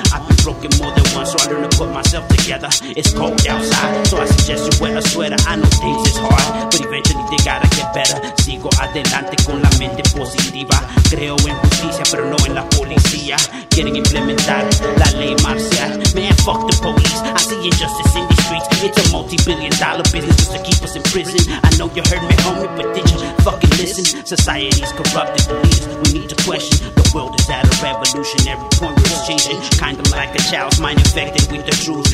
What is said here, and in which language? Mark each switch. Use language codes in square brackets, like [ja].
[en] I've been broken more than once, so I learned to put myself together. It's cold outside, so I suggest you wear a sweater. I know things is hard, but eventually they gotta get better. [es] Sigo adelante con la mente positiva. Creo en justicia, pero no en la policía. Quieren implementar la ley marcial. [en] Man, fuck the police, I see injustice in these streets. It's a multi-billion dollar business just to keep us in prison. I know you heard me, homie, but did you fucking listen? Society's corrupted, the leaders we need to question. The world is at a revolutionary point where it's changing. Kind of like a child's mind infected with the truth.